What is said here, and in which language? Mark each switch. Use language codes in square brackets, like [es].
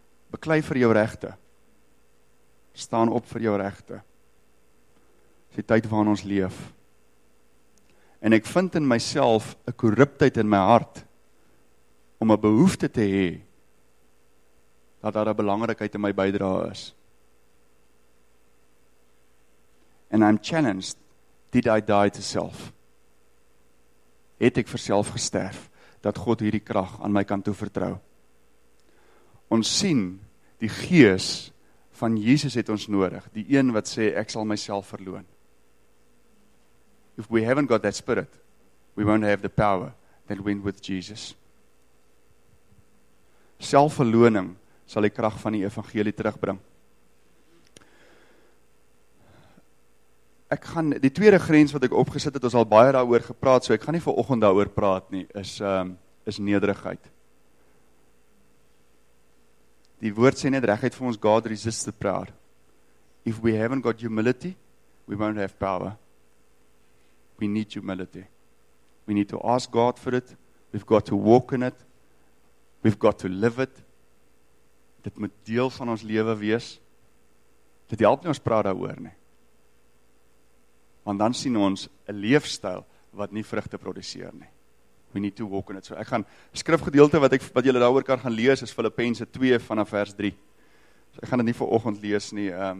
[af] Beklei vir jou regte. Staan op vir jou regte. Dis die tyd waarin ons leef. En ek vind in myself 'n korruptheid in my hart om 'n behoefte te hê dat daar 'n belangrikheid in my bydra is. [en] And I'm challenged, did I die to self? [af] Het ek vir self gesterf? Dat God hierdie krag aan my kan toevertrou. Ons sien, die gees van Jesus het ons nodig, die een wat sê, ek sal myself verloon. [en] If we haven't got that spirit, we won't have the power that went with Jesus. [af] Selfverloning sal die krag van die evangelie terugbring. Ek gaan, die tweede grens wat ek opgesit het, ons al baie daaroor gepraat, so ek gaan nie vanoggend daaroor praat nie, is nederigheid. Die woord sê net reguit vir ons, [en] God resists the proud. If we haven't got humility, we won't have power. We need humility. We need to ask God for it. We've got to walk in it. We've got to live it. [af] Dit moet deel van ons lewe wees. Dit help nie ons praat daaroor nie. Want dan sien ons 'n leefstyl wat nie vrugte produseer nie. [en] We need to walk in it. [af] So ek gaan skrifgedeelte wat julle daaroor kan gaan lees is Filippense 2 vanaf vers 3. So ek gaan dit nie vir oggend lees nie.